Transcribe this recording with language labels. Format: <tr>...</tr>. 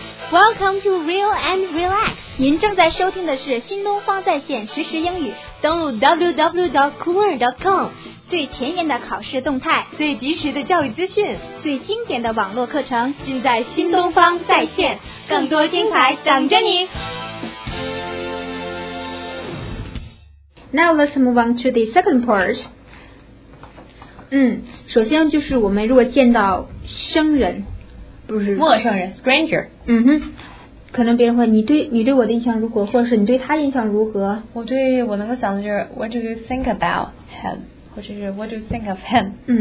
<en>Welcome to Real and Relax.</en> <zh>您正在收听的是新东方在线实时英语，登录 www.cooler.com， 最前沿的考试动态，最及时的教育资讯，最经典的网络课程，尽在新东方在线，更多精彩等着你。</zh> <en>Now let's move on to the second part.</en> <zh>首先就是我们如果见到生人，不是陌生人 stranger，可能别人会你对我的印象如何，或者是你对他印象如何。我对我能够想的就是</zh> <en>what do you think about him，</en> <zh>或者是</zh> <en>what do you think of him。</en>